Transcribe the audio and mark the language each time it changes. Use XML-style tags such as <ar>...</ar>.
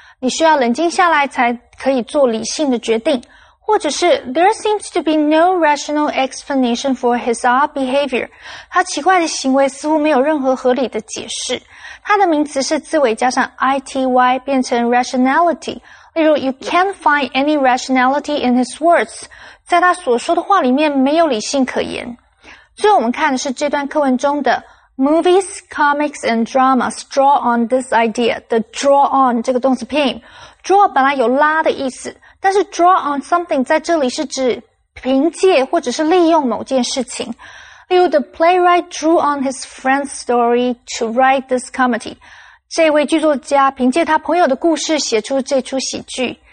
<zh>你需要冷静下来才可以做理性的决定。或者是</zh> <en>there seems to be no rational explanation for his odd behavior.</en> <zh>他奇怪的行为似乎没有任何合理的解释。它的名词是字尾加上 ity 变成 rationality。例如</zh> <en>you can't find any rationality in his words。</en> <zh>在他所说的话里面没有理性可言。最后我们看的是这段课文中的</zh> <en>movies, comics, and dramas draw on</en> <zh>this idea, the draw on 这个动词片语。 draw 本来有拉的意思，但是 draw on something 在这里是指凭借或者是利用某件事情。例如</zh> <en>the playwright drew on his friend's story to write this comedy.</en> <zh>这位剧作家凭借他朋友的故事写出这出喜剧。</zh>